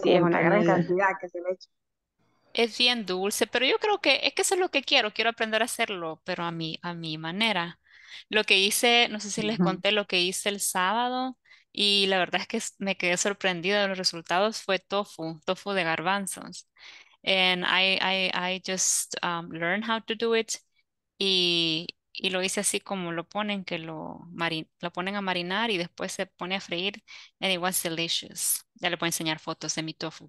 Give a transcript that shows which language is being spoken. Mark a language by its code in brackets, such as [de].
[es] sí, es una gran cantidad que se le echa. Es bien dulce, pero yo creo que es que eso es lo que quiero. Quiero aprender a hacerlo, pero a mi manera. Lo que hice, no sé si les conté lo que hice el sábado, y la verdad es que me quedé sorprendida de los resultados. Fue tofu de garbanzos. [en] And I just learned how to do it. [es] Y lo hice así como lo ponen, que lo ponen a marinar y después se pone a freír. [en] And it was delicious. [es] Ya le voy a enseñar fotos de mi tofu.